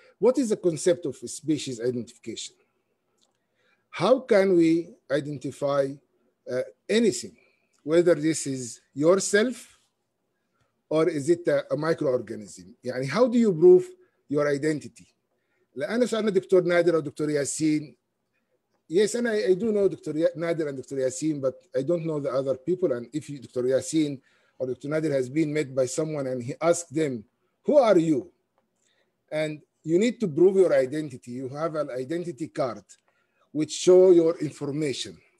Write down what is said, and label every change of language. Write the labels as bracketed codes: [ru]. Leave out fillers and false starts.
[en] What is the concept of species identification? How can we identify anything, whether this is yourself or is it a microorganism? يعني how do you prove your identity? [ar] لأنا سألنا دكتور نادر أو دكتور ياسين. [en] Yes, and I do know Dr. Nader and Dr. Yasin, but I don't know the other people. And if Dr. Yasin or Dr. Nader has been met by someone and he asked them, who are you? And you need to prove your identity. You have an identity card which shows your information.